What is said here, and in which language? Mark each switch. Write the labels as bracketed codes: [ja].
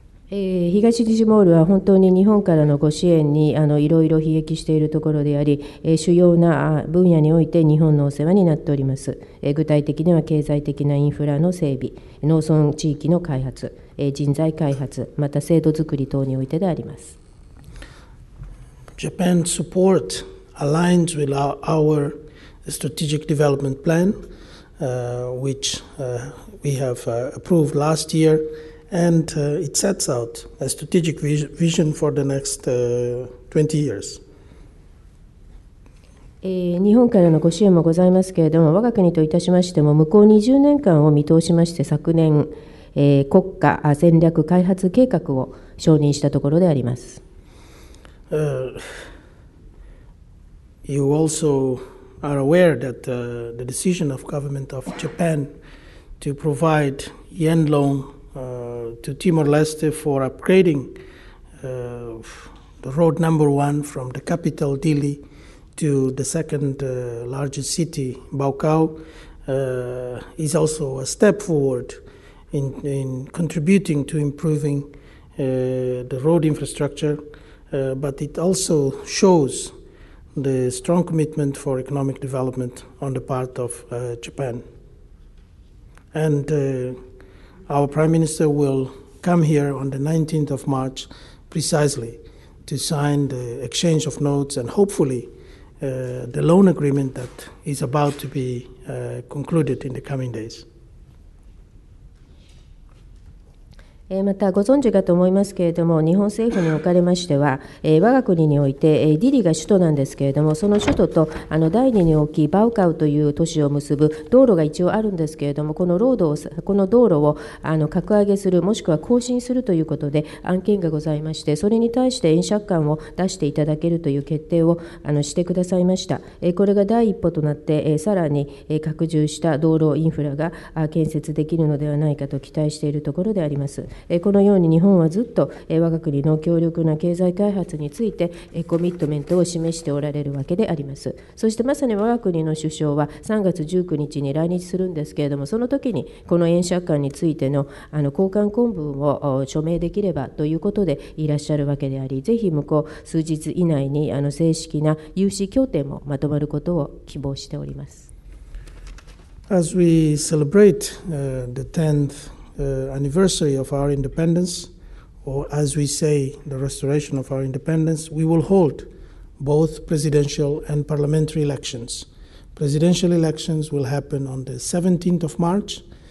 [ja] 東ティモールは本当に日本からのご支援にいろいろ悲劇しているところであり、主要な分野において日本のお世話になっております。具体的には経済的なインフラの整備、農村地域の開発、人材開発、また制度づくり等においてであります。 [en] Japan's support aligns with our strategic development plan which we have approved last yearAnd it sets out a strategic vision for the next 20 years. [ja] 日本からのご支援もございますけれども、我が国といたしましても、向こう20年間を見通しまして、昨年、国家戦略開発計画を承認したところであります。 [en] You also are aware that the decision of government of Japan to provide yen loan to Timor-Leste for upgrading the road number one from the capital Dili to the second largest city Baucau is also a step forward in contributing to improving the road infrastructure, but it also shows the strong commitment for economic development on the part of Japan. And our Prime Minister will come here on the 19th of March precisely to sign the exchange of notes and hopefully the loan agreement that is about to be concluded in the coming days. [ja] またご存知かと思いますけれども、日本政府におかれましては我が国においてディリが首都なんですけれども、その首都と第二に大きいバウカウという都市を結ぶ道路が一応あるんですけれども、この道路を格上げするもしくは更新するということで案件がございまして、それに対して円借款を出していただけるという決定をしてくださいました。これが第一歩となってさらに拡充した道路インフラが建設できるのではないかと期待しているところであります。このように日本はずっと我が国の強力な経済開発についてコミットメントを示しておられるわけであります。そしてまさに我が国の首相は3月19日に来日するんですけれども、その時にこの円借款についての交換公文を署名できればということでいらっしゃるわけであり、ぜひ向こう数日以内に正式な融資協定もまとまることを希望しております。 [en] As we celebrate the 10thanniversary of our independence, or as we say, the restoration of our independence, we will hold both presidential and parliamentary elections. Presidential elections will happen on the 17th of March.